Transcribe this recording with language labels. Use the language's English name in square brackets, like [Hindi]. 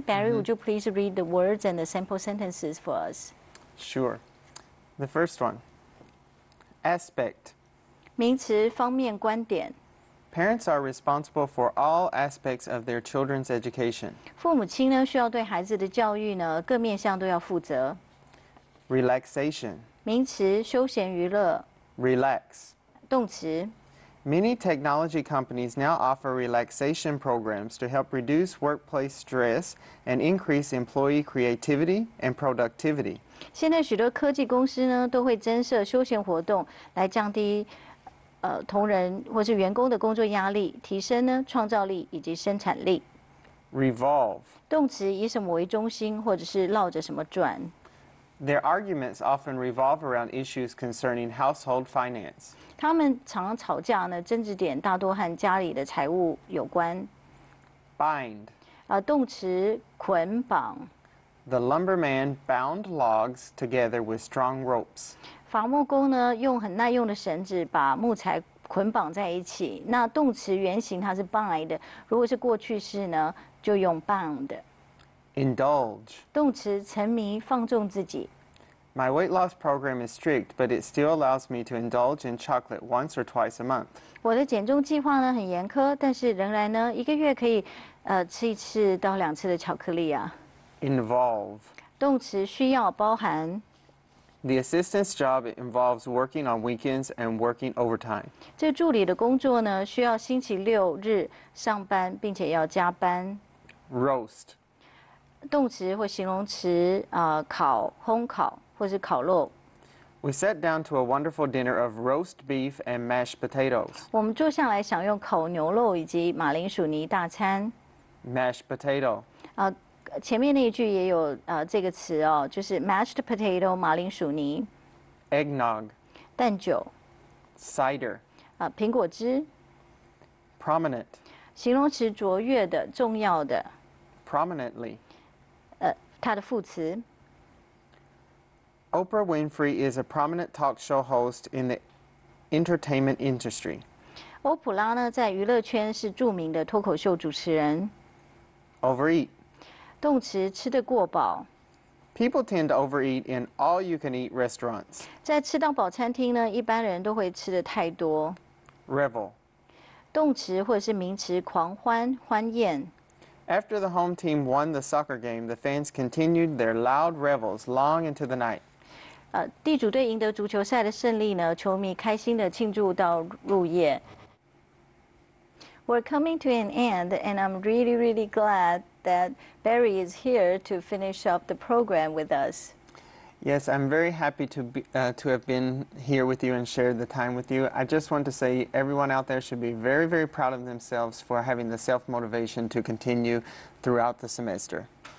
[English] Barry,、mm-hmm. would you please read the words and the sample sentences for us? Sure. The first one. Aspect. [Chinese] 名词，方面，观点。 [English] Parents are responsible for all aspects of their children's education. [Chinese] 父母亲呢，需要对孩子的教育呢，各面向都要负责。 [English] Relaxation. [Chinese] 名词，休闲娱乐。 [English] Relax. [Chinese] 动词。 [English] Many technology companies now offer relaxation programs to help reduce workplace stress and increase employee creativity and productivity. [Chinese] 现在许多科技公司呢，都会增设休闲活动来降低。同仁或是员工的工作压力，提升呢创造力以及生产力。 [English] Revolve [Chinese] 动词以什么为中心，或者是绕着什么转。 [English] Their arguments often revolve around issues concerning household finance. [Chinese] 他们常吵架呢，争执点大多和家里的财务有关。 [English] Bind [Chinese] 动词捆绑。 [English] The lumberman bound logs together with strong ropes. [Chinese] 伐木工呢，用很耐用的绳子把木材捆绑在一起。那动词原形它是 bind， 如果是过去式呢，就用 bound。 [English] Indulge [Chinese] 动词沉迷、放纵自己。 [English] My weight loss program is strict, but it still allows me to indulge in chocolate once or twice a month. [Chinese] 我的减重计划呢很严苛，但是仍然呢一个月可以吃一次到两次的巧克力啊。 [English] Involve [Chinese] 动词需要、包含。 [English] The assistant's job involves working on weekends and working overtime. [Chinese] 这助理的工作呢，需要星期六日上班，并且要加班。 [English] Roast. [Chinese] 动词或形容词，烤、烘烤或是烤肉。 [English] We sat down to a wonderful dinner of roast beef and mashed potatoes. [Chinese] 我们坐下来享用烤牛肉以及马铃薯泥大餐。 [English] Mashed potato. [Chinese] 前面那一句也有这个词哦，就是 mashed potato 马铃薯泥 [English] ，eggnog [Chinese] 蛋酒 [English] ，cider [Chinese] 苹果汁 [English] ，prominent [Chinese] 形容词卓越的、重要的 [English] ，prominently [Chinese] 它的副词。 [English] Oprah Winfrey is a prominent talk show host in the entertainment industry. [Chinese] 欧普拉呢，在娱乐圈是著名的脱口秀主持人。 [English] Overeat. [Chinese] 动词吃得过饱。 [English] People tend to overeat in all-you-can-eat restaurants. [Chinese] 在吃到饱餐厅呢，一般人都会吃得太多。 [English] Revel. [Chinese] 动词或者是名词，狂欢、欢宴。 [English] After the home team won the soccer game, the fans continued their loud revels long into the night. [Chinese] 地主队赢得足球赛的胜利呢，球迷开心的庆祝到入夜。 [English] We're coming to an end, and I'm really, really glad that Barry is here to finish up the program with us. Yes, I'm very happy to have been here with you and shared the time with you. I just want to say everyone out there should be very, very proud of themselves for having the self-motivation to continue throughout the semester.